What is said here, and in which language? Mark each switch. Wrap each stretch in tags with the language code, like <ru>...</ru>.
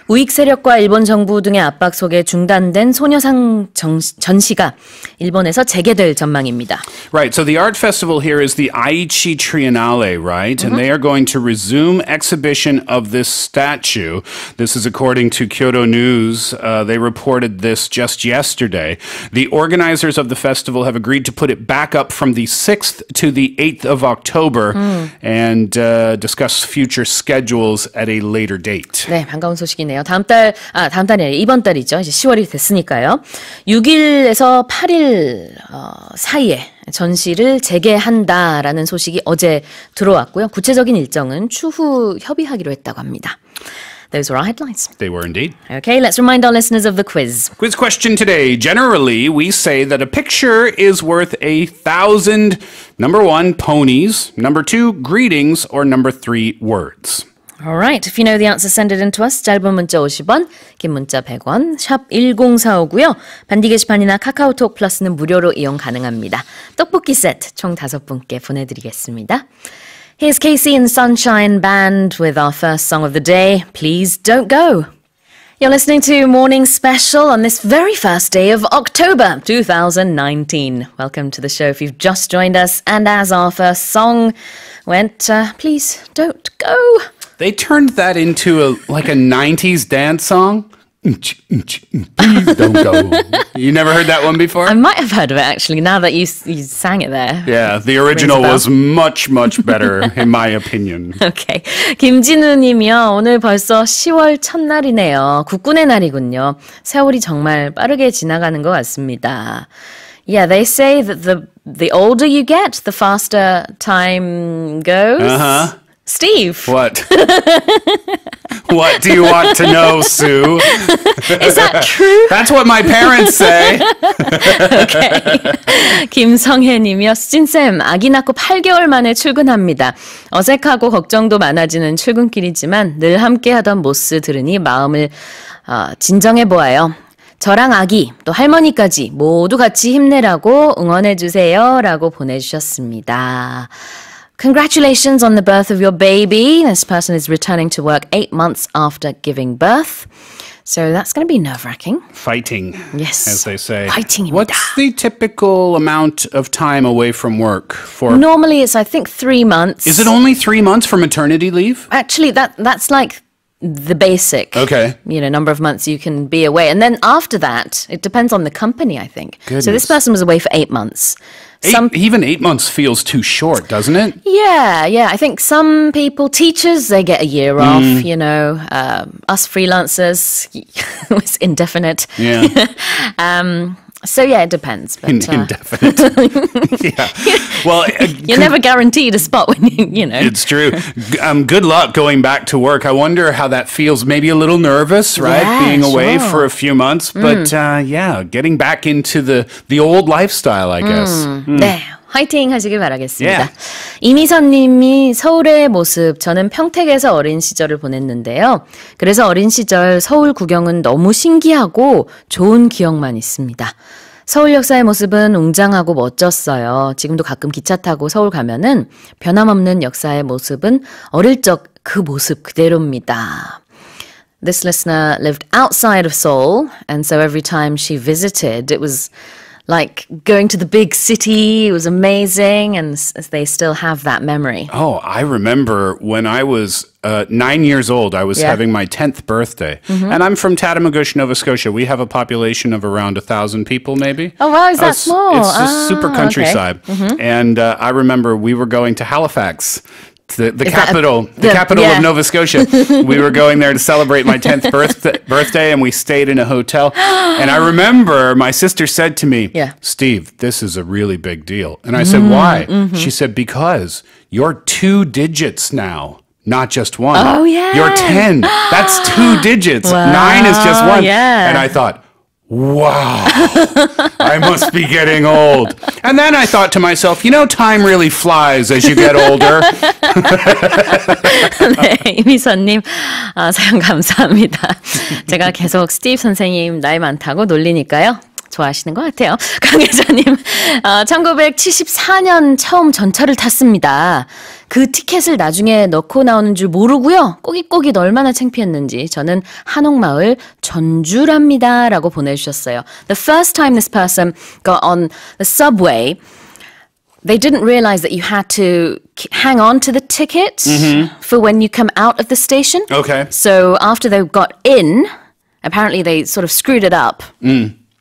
<ko>우익 세력과 일본 정부 등의 압박 속에 중단된 소녀상 전시가 일본에서 재개될 전망입니다.</ko> <en>Right, so the art festival here is the Aichi Triennale, right? And they are going to resume exhibition of this statue. This is according to Kyoto News. They reported this just yesterday. The organizers of the festival have agreed to put it back up from the 6th to the 8th of October and discuss future schedules at a later date.</en> <ko>네, 반가운 소식이네요. 다음 달, 아, 다음 달이 이번 달이죠. 이제 10월이 됐으니까요. 6일에서 8일 사이에 전시를 재개한다라는 소식이 어제 들어왔고요. 구체적인 일정은 추후 협의하기로 했다고 합니다.</ko> <en>Those were our headlines. They were indeed. Okay, let's remind our listeners of the quiz. Quiz question today. Generally, we say that a picture is worth 1,000, number one, ponies, number two, greetings, or number three, words. All right. If you know the answer, send it in to us.</en> <ko>짧은 문자 50원, 긴 문자 100원, 샵 1045고요. 반디 게시판이나 카카오톡 플러스는 무료로 이용 가능합니다. 떡볶이 세트 총 5분께 보내드리겠습니다.</ko> <en>Here's Casey and Sunshine Band with our first song of the day, Please Don't Go. You're listening to Morning Special on this very first day of October 2019. Welcome to the show if you've just joined us. And as our first song went, Please Don't Go. They turned that into a 90s dance song. Please don't go. You never heard that one before? I might have heard of it, actually, now that you sang it there. Yeah, the original was much, much better, in my opinion. Okay.</en> <ko>김진우님이요, 오늘 벌써 10월 첫날이네요. 국군의 날이군요. 세월이 정말 빠르게 지나가는 것 같습니다.</ko> <en>Yeah, they say that the older you get, the faster time goes. Uh-huh. Steve. What? What do you want to know, Sue? Is that true? That's what my parents say.</en> <ko>Okay. 김성혜님이요. 수진쌤, 아기 낳고 8개월 만에 출근합니다. 어색하고 걱정도 많아지는 출근길이지만 늘 함께하던 모스 들으니 마음을 진정해 보아요. 저랑 아기, 또 할머니까지 모두 같이 힘내라고 응원해 주세요. 라고 보내주셨습니다.</ko> <en>Congratulations on the birth of your baby. This person is returning to work 8 months after giving birth. So that's going to be nerve-wracking. Fighting, yes, as they say. Fighting. What's the typical amount of time away from work for? Normally, it's, I think, 3 months. Is it only 3 months for maternity leave? Actually, that's like the basic, okay, number of months you can be away. And then after that, it depends on the company, I think. Goodness. So this person was away for 8 months. Even 8 months feels too short, doesn't it? Yeah. I think some people, teachers, they get a year off, us freelancers, it's indefinite. Yeah. So, yeah, it depends. But, indefinite. Yeah. Well, you're never guaranteed a spot when you, It's true. Good luck going back to work. I wonder how that feels. Maybe a little nervous, right? Yeah, being away sure. for a few months. But, getting back into the old lifestyle, I guess.</en> <ko>Mm. 네, 화이팅 하시길 바라겠습니다.</ko> <en>Yeah.</en> <ko>이미선 님이 서울의 모습. 저는 평택에서 어린 시절을 보냈는데요. 그래서 어린 시절 서울 구경은 너무 신기하고 좋은 기억만 있습니다. 서울 역사의 모습은 웅장하고 멋졌어요. 지금도 가끔 기차 타고 서울 가면은 변함없는 역사의 모습은 어릴 적 그 모습 그대로입니다.</ko> <en>This listener lived outside of Seoul, and so every time she visited, it was like going to the big city. It was amazing, and they still have that memory. Oh, I remember when I was 9 years old, I was having my 10th birthday. Mm-hmm. And I'm from Tatamagush, Nova Scotia. We have a population of around 1,000 people, maybe. Oh, wow, is that small? It's a super countryside. Okay. Mm-hmm. And I remember we were going to Halifax, the capital of Nova Scotia. We were going there to celebrate my 10th birthday, and we stayed in a hotel. And I remember my sister said to me, Steve, this is a really big deal. And I said, why? Mm-hmm. She said, because you're two digits now, not just one. Oh, yeah. You're 10. That's two digits. Wow. Nine is just one. Yeah. And I thought, wow, I must be getting old. And then I thought to myself, time really flies as you get older.</en> <ko>네, 이미선님, 사연 감사합니다. 제가 계속 스티브 선생님 나이 많다고 놀리니까요. 좋아하시는 것 같아요. 강혜자님, 1974년 처음 전철을 탔습니다. 그 티켓을 나중에 넣고 나오는 줄 모르고요. 꼬깃꼬깃 얼마나 창피했는지. 저는 한옥마을 전주랍니다. 라고 보내주셨어요.</ko> <en>The first time this person got on the subway, they didn't realize that you had to hang on to the ticket for when you come out of the station. Okay. So after they got in, apparently they sort of screwed it up. Mm.</en>